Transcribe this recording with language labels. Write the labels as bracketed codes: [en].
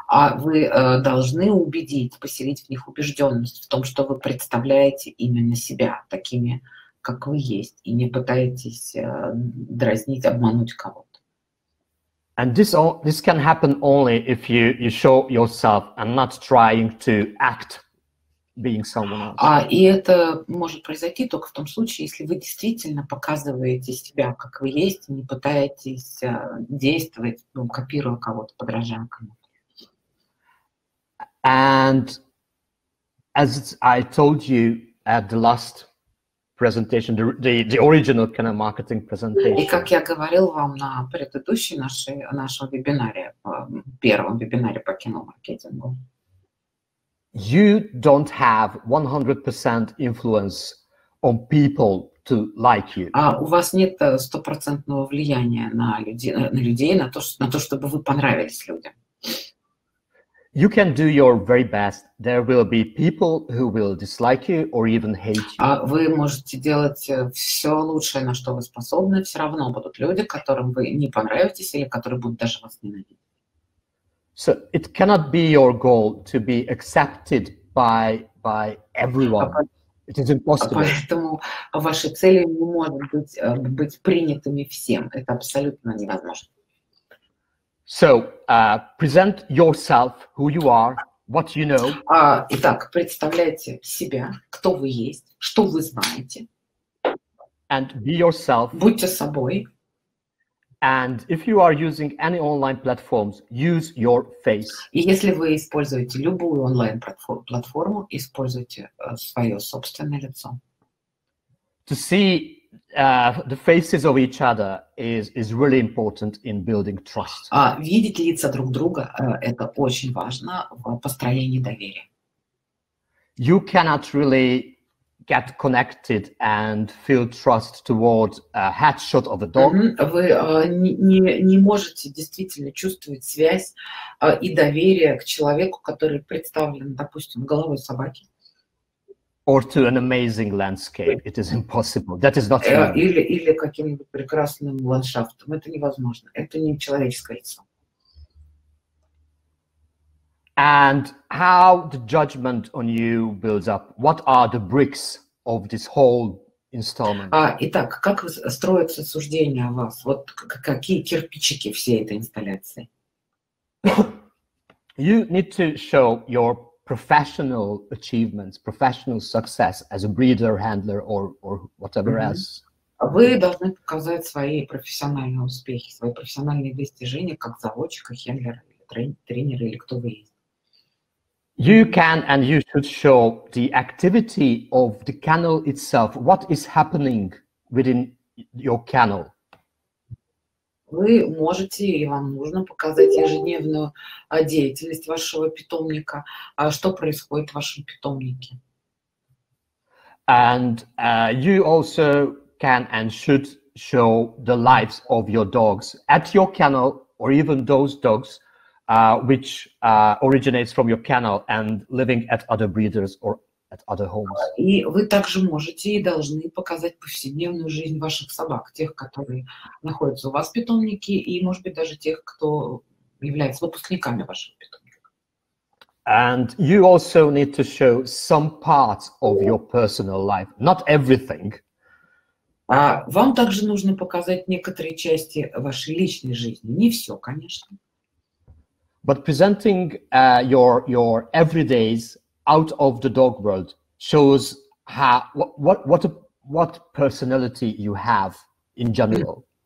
[ru] Вы должны убедить, поселить в них убежденность в том, что вы представляете именно себя такими, как вы есть, и не пытаетесь дразнить, обмануть кого-то. [en] And this can happen only if you show yourself and not trying to act being someone else. [ru] И это может произойти только в том случае, если вы действительно показываете себя, как вы есть, и не пытаетесь действовать, копируя кого-то, подражая кому-то. [en] And as I told you at the last presentation, the original kind of marketing presentation. [ru] И как я говорил вам на предыдущей нашем вебинаре, первом вебинаре по кино-маркетингу, [en] you don't have 100% influence on people to like you. [ru] У вас нет 100% влияния на людей, на то, чтобы вы понравились людям. [en] You can do your very best. There will be people who will dislike you or even hate you. [ru] Вы можете делать все лучшее, на что вы способны. Все равно будут люди, которым вы не понравитесь или которые будут даже вас ненавидеть. [en] So it cannot be your goal to be accepted by everyone. It is impossible. [ru] Поэтому ваши цели не могут быть принятыми всем. Это абсолютно невозможно. [en] So, present yourself, who you are, what you know. [ru] Итак, представляйте себя, кто вы есть, что вы знаете. [en] And be yourself. [ru] Будьте собой. [en] And if you are using any online platforms, use your face. [ru] И если вы используете любую онлайн-платформу, используйте свое собственное лицо. [en] To see the faces of each other is really important in building trust. [ru] Видеть лица друг друга это очень важно в построении доверия. [en] you cannot really get connected and feel trust toward a headshot of a dog. Mm-hmm. [ru] Вы не можете действительно чувствовать связь и доверие к человеку, который представлен, допустим, головой собаки. [en] Or to an amazing landscape. It is impossible. That is not human. [ru] Или каким-нибудь прекрасным ландшафтом. Это невозможно. Это не человеческое лицо. [en] And how the judgment on you builds up? What are the bricks of this whole installment? [ru] Итак, как строится суждение о вас? Вот какие кирпичики всей этой инсталляции? [en] You need to show your professional achievements, professional success as a breeder, handler, or whatever mm-hmm. else. [ru] Вы должны показать свои профессиональные успехи, свои профессиональные достижения как заводчик, хендлер, тренер или кто вы есть. [en] You can and you should show the activity of the kennel itself. What is happening within your kennel? [ru] Вы можете и вам нужно показать ежедневную деятельность вашего питомника, что происходит в вашем питомнике. [en] And you also can and should show the lives of your dogs at your kennel or even those dogs which originates from your kennel and living at other breeders or at other homes. [ru] И вы также можете и должны показать повседневную жизнь ваших собак, тех, которые находятся у вас в питомнике, и, может быть, даже тех, кто является выпускниками вашего питомника. [en] And you also need to show some parts of your personal life, not everything. [ru] Вам также нужно показать некоторые части вашей личной жизни. Не все, конечно. [en] But presenting your everydays out of the dog world shows how what personality you have in general.